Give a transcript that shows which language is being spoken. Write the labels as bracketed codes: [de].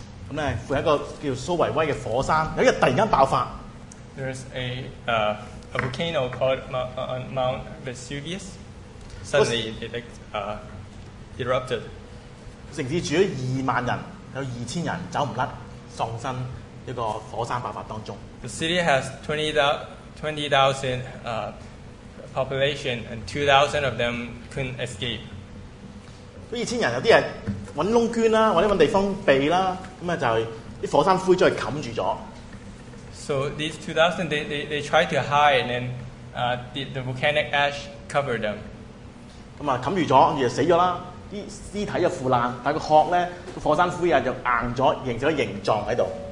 [yue] 咁咧，附一個叫蘇維威嘅火山，有一日突然間爆發。 [en] There's a volcano called Mount Vesuvius. Suddenly it erupted. [yue] 城市住咗20,000人，有2000人走唔甩，喪生一個火山爆發當中。 [en] The city has 20,000 population, and 2,000 of them couldn't escape. [yue] 2,000人有啲人揾窿捐啦，或者揾地方避啦，咁啊就啲火山灰將佢冚住咗。 [en] So these 2,000, they tried to hide, and the volcanic ash covered them. [yue] 咁啊冚住咗，跟住就死咗啦。啲屍體又腐爛，但個殼咧，個火山灰啊就硬咗，形成咗形狀喺度。